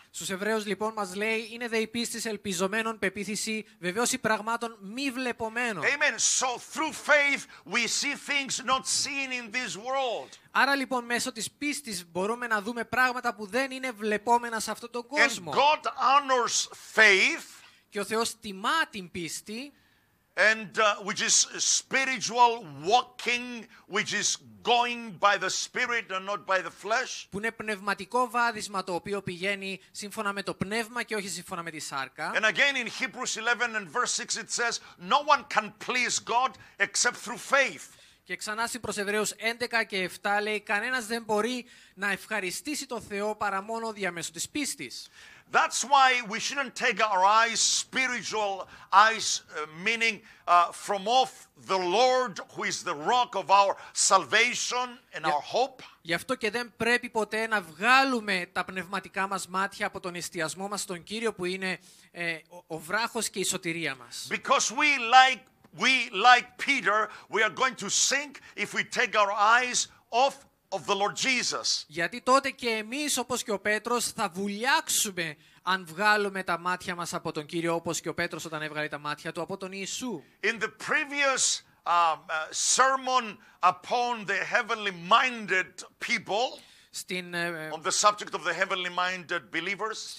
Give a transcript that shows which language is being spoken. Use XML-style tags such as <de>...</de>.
<el>Στους Εβραίους λοιπόν μας λέει, είναι δε η πίστης ελπιζομένων, πεποίθηση βεβαίωση πραγμάτων μη βλεπομένων.</el> <en>Amen. So through faith we see things not seen in this world.</en> <el>Άρα λοιπόν μέσω της πίστης μπορούμε να δούμε πράγματα που δεν είναι βλεπόμενα σε αυτόν τον κόσμο.</el> <en>And God honors faith.</en> <el>Και ο Θεός τιμά την πίστη.</el> <en>And which is spiritual walking, which is going by the spirit and not by the flesh.</en> <el>Που είναι πνευματικό βάδισμα το οποίο πηγαίνει σύμφωνα με το πνεύμα και όχι σύμφωνα με τη σάρκα.</el> <en>And again in Hebrews 11 and verse 6 it says, no one can please God except through faith.</en> <el>Και ξανά στην προς Εβραίους 11 και 7 λέει, κανένας δεν μπορεί να ευχαριστήσει τον Θεό παρά μόνο διαμέσου της πίστης.</el> <en>That's why we shouldn't take our eyes, spiritual eyes, meaning from off the Lord who is the rock of our salvation and our hope.</en> <el>Γι' αυτό και δεν πρέπει ποτέ να βγάλουμε τα πνευματικά μας μάτια από τον εστιασμό μας στον Κύριο που είναι ο βράχος και η σωτηρία μας.</el> <en>Because we like Peter, we are going to sink if we take our eyes off of the Lord Jesus.</en> <el>Γιατί τότε και εμείς όπως και ο Πέτρος θα βουλιάξουμε αν βγάλουμε τα μάτια μας από τον Κύριο όπως και ο Πέτρος όταν έβγαλε τα μάτια του από τον Ιησού.</el> <en>In the previous sermon upon the heavenly minded people, on the subject of the heavenly minded believers,</en>